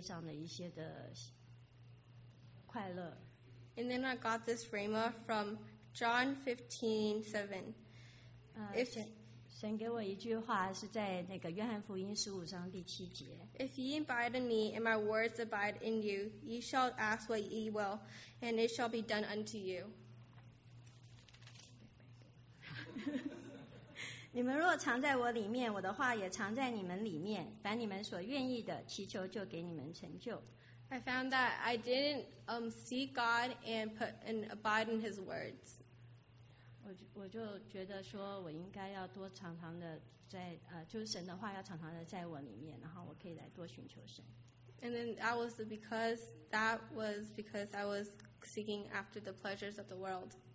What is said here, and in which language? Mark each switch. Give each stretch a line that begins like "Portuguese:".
Chinese: 这个其中一个谎言就是我不是去看神，去仰望神，而是我是去这个世界上的一些的快乐。
English: And then I got this rhema from John 15:7.
Chinese: 神给我一句话是在那个约翰福音15:7.
English: If ye abide in me and my words abide in you, ye shall ask what ye will, and it shall be done unto you.
Chinese: 你们若藏在我里面，我的话也藏在你们里面。凡你们所愿意的，祈求就给你们成就。
English: I found that I didn't seek God and put and abide in His words.
Chinese: 我就觉得说，我应该要多常常的在，就是神的话要常常的在我里面，然后我可以来多寻求神。
English: And then that was because I was seeking after the pleasures of the world.